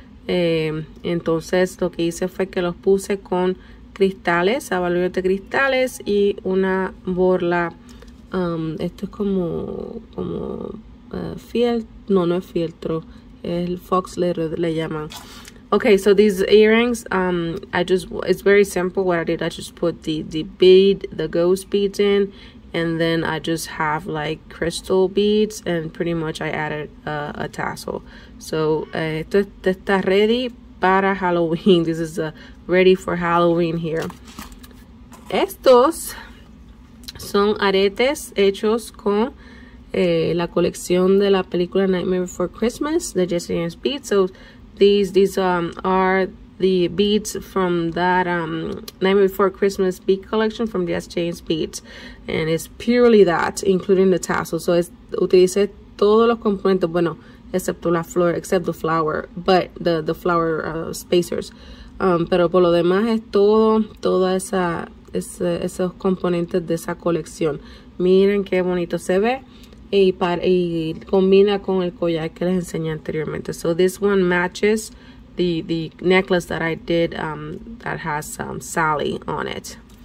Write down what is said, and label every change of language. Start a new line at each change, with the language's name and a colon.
Spanish: Entonces lo que hice fue que los puse con cristales, abalorios de cristales y una borla. Esto es no es fieltro, es el fox le llaman.
English: Okay, so these earrings, it's very simple what I did. I just put the ghost beads in, and then I just have like crystal beads, and pretty much I added a tassel.
Spanish: So, esto está ready para Halloween.
English: This is ready for Halloween here.
Spanish: Estos son aretes hechos con la colección de la película Nightmare Before Christmas, the Jesse James Beads.
English: So, These are the beads from that Nightmare Before Christmas bead collection from Jess James Beads. And it's purely that, including the tassel. So,
Spanish: utilicé todos los componentes, bueno,
English: except the flower, but the flower spacers.
Spanish: Pero por lo demás es esos componentes de esa colección. Miren qué bonito se ve. Y combina con el collar que les enseñé anteriormente.
English: So this one matches the necklace that I did that has Sally on it.